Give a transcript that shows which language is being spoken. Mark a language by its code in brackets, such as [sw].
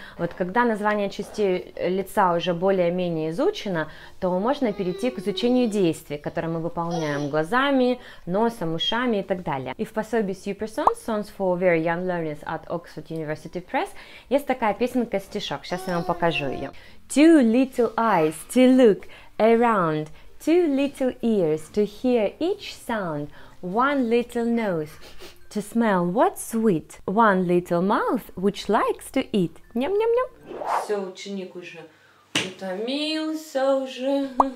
[ru] Вот когда название частей лица уже более-менее изучено, то можно перейти к изучению действий, которые мы выполняем глазами, носом, ушами и так далее. И в пособии Super Songs, Songs for Very Young Learners от Oxford University Press, есть такая песенка-стишок, сейчас я вам покажу. [en] Two little eyes to look around, two little ears to hear each sound, one little nose to smell what's sweet, one little mouth which likes to eat. Ням-ням-ням. [ru] Все, ученик уже утомился уже.